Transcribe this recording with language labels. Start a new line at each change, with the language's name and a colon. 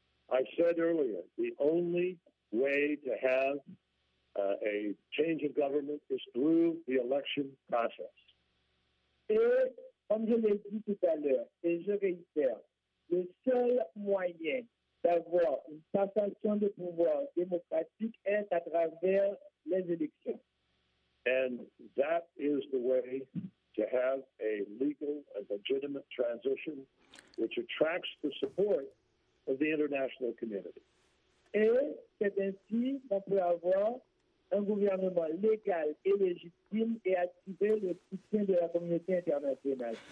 English: I said earlier, the only way to have a change of government is through the election process.
French: Et comme je l'ai dit tout à l'heure, et je réitère, le seul moyen d'avoir une passation de pouvoir démocratique est à travers les élections.
English: And that is the way to have a legal and legitimate transition which attracts the support of the international community.
French: Et c'est ainsi qu'on peut avoir un gouvernement légal et légitime et attirer le soutien de la communauté internationale.